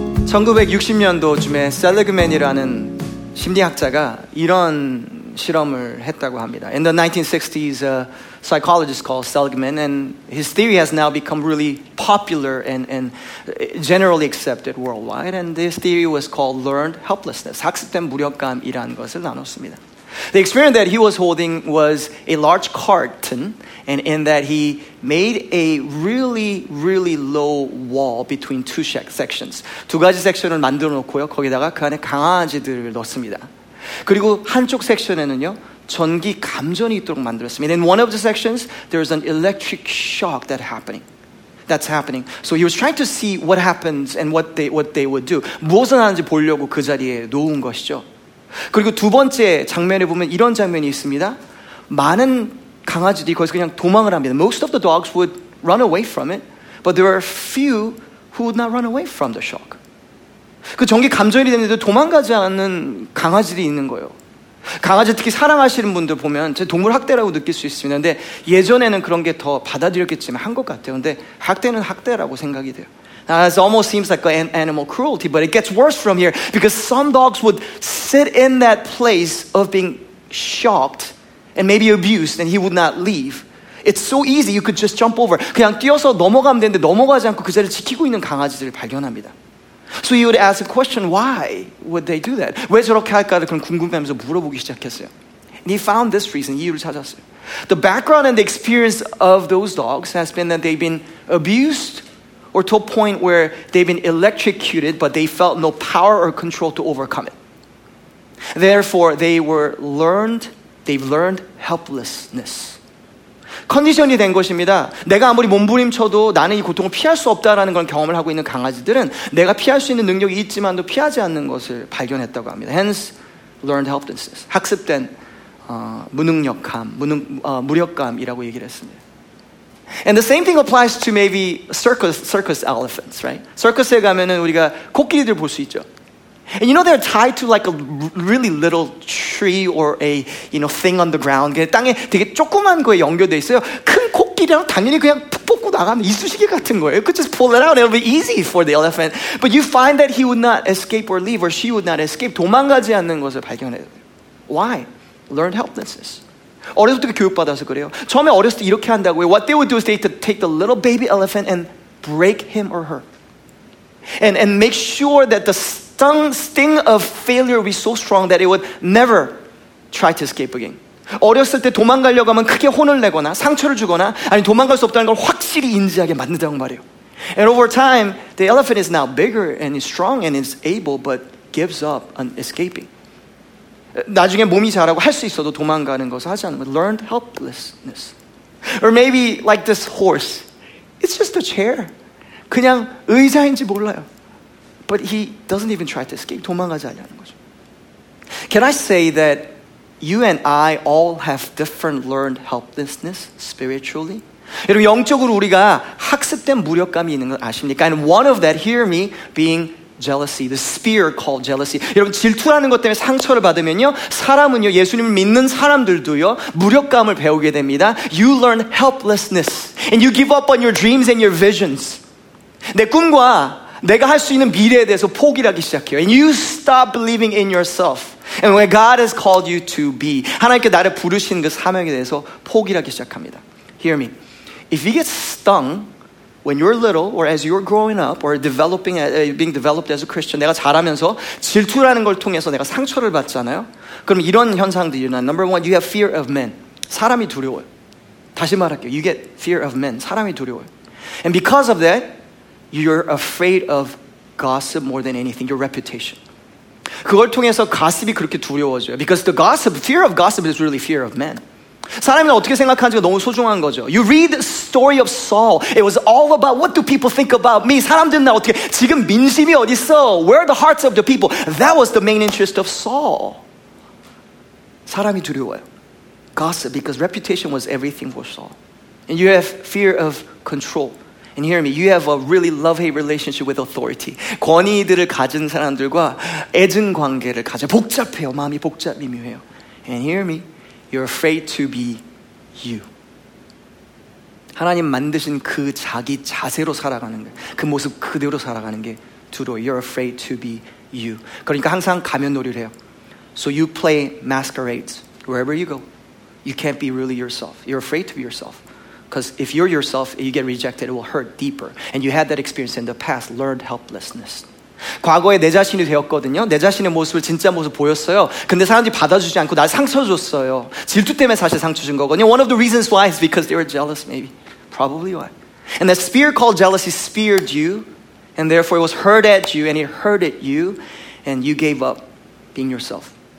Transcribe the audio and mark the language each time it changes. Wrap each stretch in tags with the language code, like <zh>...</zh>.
<ko>1960년도쯤에 셀리그맨이라는 심리학자가 이런 실험을 했다고 합니다.</ko> <en>In the 1960s, a psychologist called Seligman, and his theory has now become really popular and generally accepted worldwide. And this theory was called learned helplessness,</en> <ko>학습된 무력감이라는 것을 나눴습니다.</ko> <en>The experiment that he was holding was a large carton, and in that he made a really, really low wall between two sections.</en> <ko>두 가지 섹션을 만들어 놓고요. 거기다가 그 안에 강아지들을 넣습니다. 그리고 한쪽 섹션에는요, 전기 감전이 있도록 만들었습니다.</ko> <en>And in one of the sections, there's an electric shock that's happening. So he was trying to see what happens and what they would do.</en> <ko>무엇을 하는지 보려고 그 자리에 놓은 것이죠. 그리고 두 번째 장면에 보면 이런 장면이 있습니다. 많은 강아지들이 거기서 그냥 도망을 합니다.</ko> <en>Most of the dogs would run away from it, but there are few who would not run away from the shock.</en> <ko>그 전기 감전이 되는데도 도망가지 않는 강아지들이 있는 거예요. 강아지 특히 사랑하시는 분들 보면 제 동물 학대라고 느낄 수 있습니다. 근데 예전에는 그런 게 더 받아들였겠지만 한 것 같아요. 근데 학대는 학대라고 생각이 돼요.</ko> <en>Now, it almost seems like an animal cruelty, but it gets worse from here because some dogs would sit in that place of being shocked and maybe abused, and he would not leave. It's so easy, you could just jump over.</en> <ko>그냥 뛰어서 넘어가면 되는데 넘어가지 않고 그 자리를 지키고 있는 강아지들을 발견합니다.</ko> <en>So he would ask a question, why would they do that?</en> <ko>왜 저렇게 할까를 그런 궁금해하면서 물어보기 시작했어요.</ko> <en>And he found this reason,</en> <ko>이유를 찾았어요.</ko> <en>The background and the experience of those dogs has been that they've been abused or to a point where they've been electrocuted, but they felt no power or control to overcome it. Therefore, they've learned helplessness.</en> <ko>컨디션이 된 것입니다. 내가 아무리 몸부림쳐도 나는 이 고통을 피할 수 없다라는 걸 경험을 하고 있는 강아지들은 내가 피할 수 있는 능력이 있지만도 피하지 않는 것을 발견했다고 합니다.</ko> <en>Hence, learned helplessness.</en> <ko>학습된 무력감이라고 얘기를 했습니다.</ko> <en>And the same thing applies to maybe circus elephants, right?</en> <ko>서커스에 가면은 우리가 코끼리들 볼 수 있죠.</ko> <en>And you know they're tied to like a really little tree or a, you know, thing on the ground.</en> <ko>땅에 되게 조그만 거에 연결돼 있어요. 큰 코끼리랑 당연히 그냥 푹 뽑고 나가면 이쑤시개 같은 거예요.</ko> <en>You could just pull it out. It'll be easy for the elephant. But you find that he would not escape or leave, or she would not escape.</en> <ko>도망가지 않는 것을 발견해요.</ko> <en>Why? Learned helplessness.</en> <ko>어렸을 때 교육받아서 그래요. 처음에 어렸을 때 이렇게 한다고 해요.</ko> <en>What they would do is they would take the little baby elephant and break him or her. And make sure that the sting of failure would be so strong that it would never try to escape again.</en> <ko>어렸을 때 도망가려고 하면 크게 혼을 내거나 상처를 주거나 아니 도망갈 수 없다는 걸 확실히 인지하게 만든다고 말해요.</ko> <en>And over time, the elephant is now bigger and is strong and is able but gives up on escaping.</en> <ko>나중에 몸이 자라고 할 수 있어도 도망가는 것을 하지 않으면</ko> <en>learned helplessness. Or maybe like this horse. It's just a chair.</en> <ko>그냥 의자인지 몰라요.</ko> <en>But he doesn't even try to escape.</en> <ko>도망가지 않으려는 거죠.</ko> <en>Can I say that you and I all have different learned helplessness spiritually?</en> <ko>여러분 영적으로 우리가 학습된 무력감이 있는 걸 아십니까?</ko> <en>And one of that, hear me, being jealousy, the spear called jealousy.</en> <ko>여러분 질투라는 것 때문에 상처를 받으면요, 사람은요, 예수님을 믿는 사람들도요, 무력감을 배우게 됩니다.</ko> <en>You learn helplessness, and you give up on your dreams and your visions.</en> <ko>내 꿈과 내가 할 수 있는 미래에 대해서 포기하기 시작해요.</ko> <en>And you stop believing in yourself, and where God has called you to be.</en> <ko>하나님께 나를 부르신 그 사명에 대해서 포기하기 시작합니다.</ko> <en>Hear me. If you get stung, when you're little, or as you're growing up, or developing, being developed as a Christian,</en> <ko>내가 자라면서 질투라는 걸 통해서 내가 상처를 받잖아요. 그럼 이런 현상들이 일어나.</ko> <en>Number one, you have fear of men.</en> <ko>사람이 두려워요. 다시 말할게요.</ko> <en>You get fear of men.</en> <ko>사람이 두려워요.</ko> <en>And because of that, you're afraid of gossip more than anything, your reputation.</en> <ko>그걸 통해서 가십이 그렇게 두려워져요.</ko> <en>Because the gossip, fear of gossip is really fear of men.</en> <ko>사람들이 어떻게 생각하는지가 너무 소중한 거죠.</ko> <en>You read the story of Saul. It was all about what do people think about me?</en> <ko>사람들은 나 어떻게, 지금 민심이 어디 있어?</ko> <en>Where are the hearts of the people? That was the main interest of Saul.</en> <ko>사람이 두려워요.</ko> <en>Gossip, because reputation was everything for Saul. And you have fear of control. And hear me, you have a really love-hate relationship with authority.</en> <ko>권위들을 가진 사람들과 애증관계를 가져 복잡해요. 마음이 복잡 미묘해요.</ko> <en>And hear me, you're afraid to be you.</en> <ko>하나님 만드신 그 자기 자세로 살아가는 거예요. 그 모습 그대로 살아가는 게 두려워.</ko> <en>You're afraid to be you.</en> <ko>그러니까 항상 가면놀이를 해요.</ko> <en>So you play masquerades wherever you go. You can't be really yourself. You're afraid to be yourself. Because if you're yourself, you get rejected, it will hurt deeper. And you had that experience in the past, learned helplessness.</en> <ko>과거에 내 자신이 되었거든요. 내 자신의 모습을 진짜 모습 보였어요. 근데 사람들이 받아주지 않고 나 상처 줬어요. 질투 때문에 사실 상처 준 거거든요.</ko> <en>One of the reasons why is because they were jealous, maybe. Probably why. And that spear called jealousy speared you, and therefore it was hurt at you, and it hurted you, and you gave up being yourself.</en>